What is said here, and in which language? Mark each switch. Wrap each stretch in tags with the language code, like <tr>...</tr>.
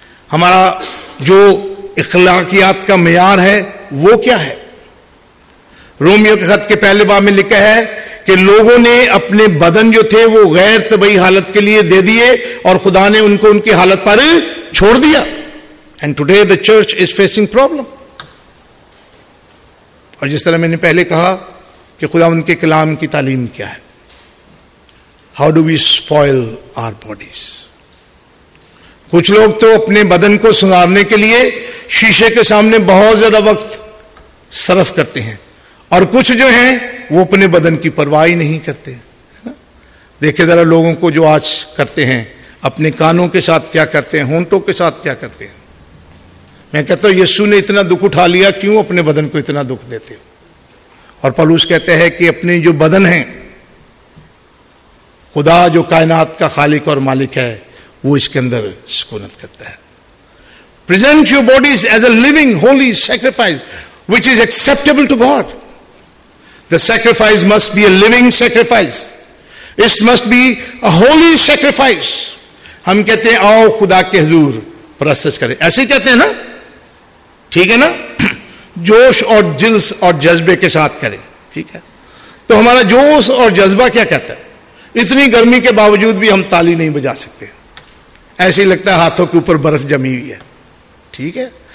<ur>ہمارا جو اخلاقیات کا معیار ہے وہ کیا ہے؟ رومیو کے خط کے پہلے باب میں لکھا ہے کہ لوگوں نے اپنے بدن جو تھے وہ غیر طبعی حالت کے لیے دے دیے اور خدا نے ان کو ان کی حالت پر چھوڑ دیا.</ur> <en>And today the church is facing problem.</en> <ur>اور جس طرح میں نے پہلے کہا کہ خدا ان کے کلام کی تعلیم کیا ہے,</ur> <en>How do we spoil our bodies.</en> <ur>کچھ لوگ تو اپنے بدن کو سنوارنے کے لیے شیشے کے سامنے بہت زیادہ وقت صرف کرتے ہیں, اور کچھ جو ہیں وہ اپنے بدن کی پرواہ ہی نہیں کرتے. دیکھے ذرا لوگوں کو جو آج کرتے ہیں, اپنے کانوں کے ساتھ کیا کرتے ہیں, ہونٹوں کے ساتھ کیا کرتے ہیں. میں کہتا ہوں یسوع نے اتنا دکھ اٹھا لیا, کیوں اپنے بدن کو اتنا دکھ دیتے ہو؟ اور پالوس کہتے ہیں کہ اپنے جو بدن ہیں, خدا جو کائنات کا خالق اور مالک ہے وہ اس کے اندر سکونت کرتا ہے.</ur> <en>Present your bodies as a living holy sacrifice which is acceptable to God. The sacrifice must be a living sacrifice, it must be a holy sacrifice.</en> <ur>ہم کہتے ہیں آؤ خدا کے حضور پرستش کرے, ایسے کہتے ہیں نا, ٹھیک ہے نا, جوش اور جلس اور جذبے کے ساتھ کریں, ٹھیک ہے. تو ہمارا جوش اور جذبہ کیا کہتا ہے؟ اتنی گرمی کے باوجود بھی ہم تالی نہیں بجا سکتے, ایسے ہی لگتا ہے ہاتھوں کے اوپر برف جمی ہوئی ہے, ٹھیک ہے.</ur>